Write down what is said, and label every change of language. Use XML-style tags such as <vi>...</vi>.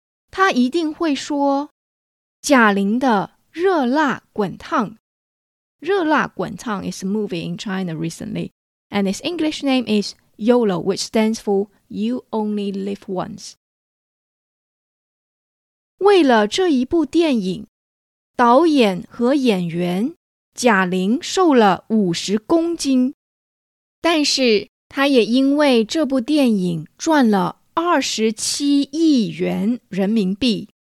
<zh>他一定会说贾玲的《热辣滚烫》。</zh> <en>《热辣滚烫》is a movie in China recently, and its English name is YOLO, which stands for You Only Live Once.</en> <zh>为了这一部电影，导演和演员贾玲瘦了50公斤，但是他也因为这部电影赚了27亿元人民币。</zh>